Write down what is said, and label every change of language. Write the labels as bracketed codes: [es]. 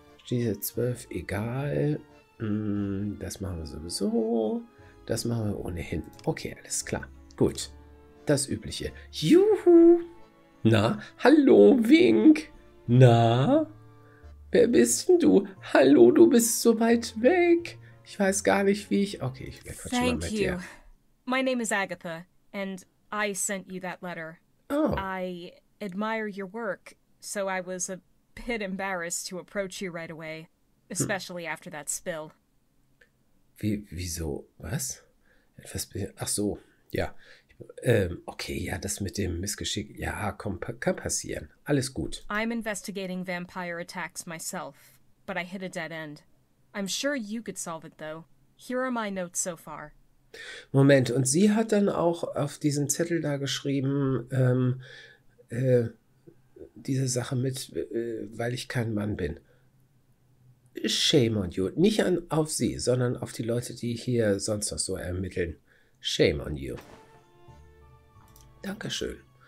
[de] Diese 12 egal. Das machen wir sowieso. Das machen wir ohnehin. Okay, alles klar. Gut. Das Übliche. Juhu! Na, hallo, Wink! Na? Wer bist denn du? Hallo, du bist so weit weg. Ich weiß gar nicht, wie ich... Okay, ich werde quatschen mal mit dir. [en] My name is Agatha, and I sent you that letter. Oh. I admire your work, so I was a bit embarrassed to approach you right away, especially after that spill. [de] Wieso? Was? Etwas? Ach so, ja. Okay, ja, das mit dem Missgeschick. Ja, komm, kann passieren. Alles gut. [en] I'm investigating vampire attacks myself, but I hit a dead end. I'm sure you could solve it, though. Here are my notes so far. [de] Moment, und sie hat dann auch auf diesen Zettel da geschrieben, diese Sache mit, weil ich kein Mann bin. [en] Shame on you. [de] Nicht an auf sie, sondern auf die Leute, die hier sonst noch so ermitteln. [en] Shame on you. [de] Dankeschön.